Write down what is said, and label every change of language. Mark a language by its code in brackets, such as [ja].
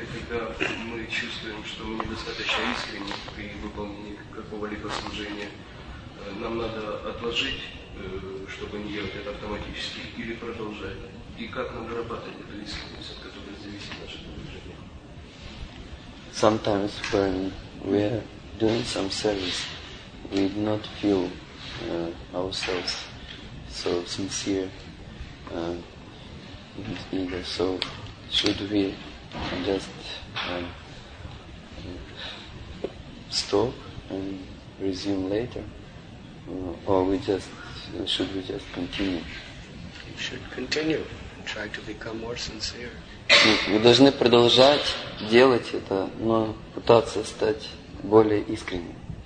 [ru] Когда мы чувствуем, что мы недостаточно искренни при выполнении какого-либо служения, нам надо отложить, чтобы не делать это автоматически, или продолжать. И как нам вырабатывать эту искренность, от которой зависит наше служение? [en] Sometimes when we are doing some service, we do not feel ourselves so sincere either. So should we just stop and resume later? Or should we just continue? You should continue and try to become more sincere. [ru] Вы должны продолжать делать это, но пытаться стать более искренним.